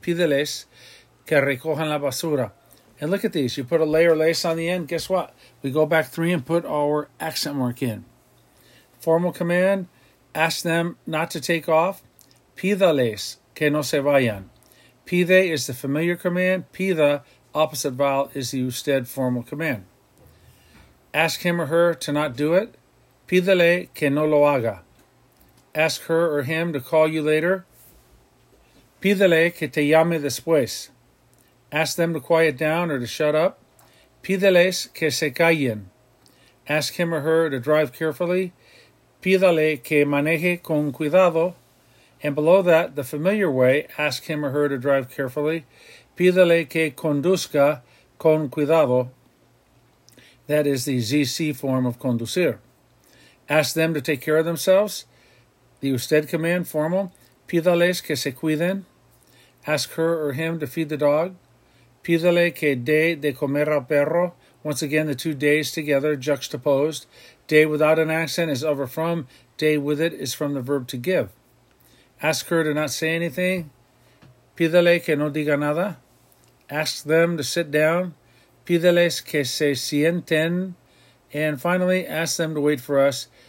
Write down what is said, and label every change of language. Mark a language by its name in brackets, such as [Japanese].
[Spanish] Pídeles que recojan la basura. [English] And look at these. You put a layer les on the end. Guess what? We go back three and put our accent mark in. Formal command, ask them not to take off. [Spanish] Pídales que no se vayan. [English] Pide is the familiar command. Pida, opposite vowel, is the usted formal command. Ask him or her to not do it. [Spanish] Pídele que no lo haga. [English] Ask her or him to call you later. [Spanish] Pídele que te llame después. [English] Ask them to quiet down or to shut up. [Spanish] Pídeles que se callen. [English] Ask him or her to drive carefully. [Spanish] Pídale que maneje con cuidado. [English] And below that, the familiar way, ask him or her to drive carefully. [Spanish] Pídale que conduzca con cuidado. [English] That is the ZC form of conducir. Ask them to take care of themselves. The usted command, formal. [Spanish] Pídales que se cuiden. [English] Ask her or him to feed the dog. [Spanish] Pídale que dé de comer al perro. [English] Once again, the two days together, juxtaposed. Day without an accent is of or from. Day with it is from the verb to give. Ask her to not say anything. [Spanish] Pídele que no diga nada. [English] Ask them to sit down. [Spanish] Pídeles que se sienten. [English] And finally, ask them to wait for us.